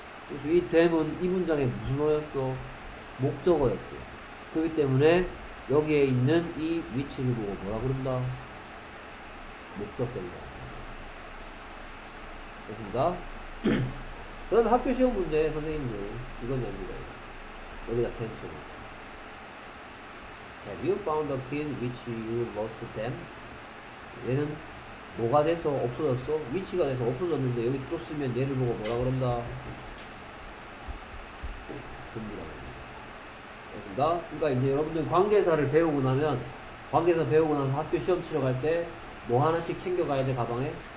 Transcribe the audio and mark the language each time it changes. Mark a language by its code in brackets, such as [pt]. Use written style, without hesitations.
[ko] 그래서 이 them은 이 문장의 무슨 어였어? 목적어였죠. 그렇기 때문에 여기에 있는 이 위치를 보고 뭐라 그런다? 목적어입니다. 됐습니다. 그다음 학교 시험 문제 선생님들 이건 연습해요. 여기다 템 쓰고. [en] Have you found the keys which you lost them? [ko] 얘는 뭐가 돼서 없어졌어? 위치가 돼서 없어졌는데 여기 또 쓰면 얘를 보고 뭐라 그런다? 준비라고 합니다. 그러니까 이제 여러분들 관계사를 배우고 나면 관계사 배우고 나서 학교 시험 치러 갈때뭐 하나씩 챙겨가야 돼, 가방에?